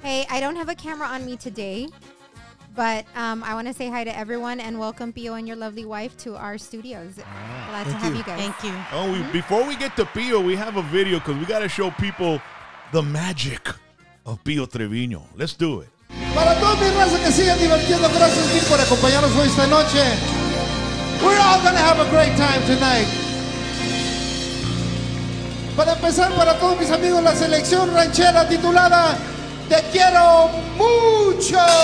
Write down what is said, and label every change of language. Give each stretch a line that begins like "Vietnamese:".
English: Hey, I don't have a camera on me today. But I want to say hi to everyone and welcome Pio and your lovely wife to our studios. Glad to have you guys. Thank you. Oh, before we get to Pio, we have a video because we got to show people the magic of Pio Trevino. Let's do it.
Spanish: Para toda mi raza que sigue divirtiendo, gracias mil por acompañarnos hoy esta noche.
English: We're all gonna have a great time tonight.
Spanish: Para empezar, para todos mis amigos, la selección ranchera titulada Te Quiero Mucho.